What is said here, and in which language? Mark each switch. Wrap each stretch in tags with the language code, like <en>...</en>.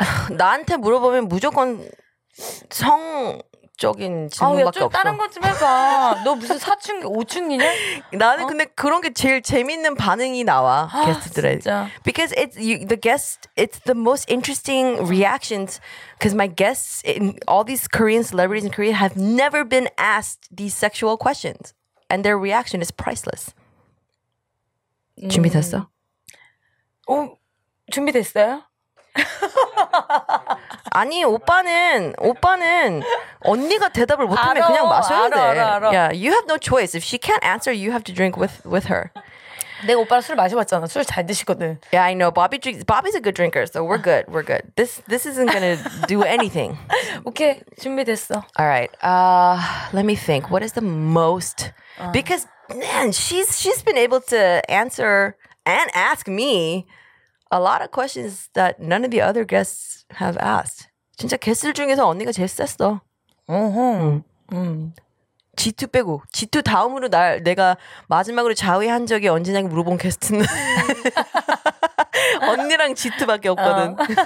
<ko>나한테 물어보면 무조건 성적인 질문밖에 없어. 좀 다른 거 좀 해봐. 너 무슨 사춘기, 오춘기냐? 나는 근데 그런 게 제일 재밌는 반응이 나와. 게스트들에. 진짜.</ko> <en>Because it's the most interesting reactions because my guests, all these Korean celebrities in Korea have never been asked these sexual questions. And their reaction is priceless.</en> <ko>준비됐어? 준비됐어요? 아니 오빠는 언니가 대답을 못하면 알아, 그냥 마셔야 알아, 돼. 알아.</ko> <en>Yeah, you have no choice. If she can't answer, you have to drink with her.</en> <ko>내가 오빠랑 술 마셔봤잖아. 술 잘 드시거든.</ko> <en>Yeah, I know. Bobby's a good drinker, so we're good. We're good. This isn't gonna do anything.</en> <ko>오케이 준비됐어.</ko> <en>All right. Let me think. What is the most? Because man, she's been able to answer and ask me a lot of questions that none of the other guests have asked.</en> <ko>진짜 게스트 중에서 언니가 제일 셌어. 지투 빼고 지투 다음으로 날 내가 마지막으로 자위한 적이 언제냐고 물어본 게스트는 언니랑 지투밖에 없거든.</ko>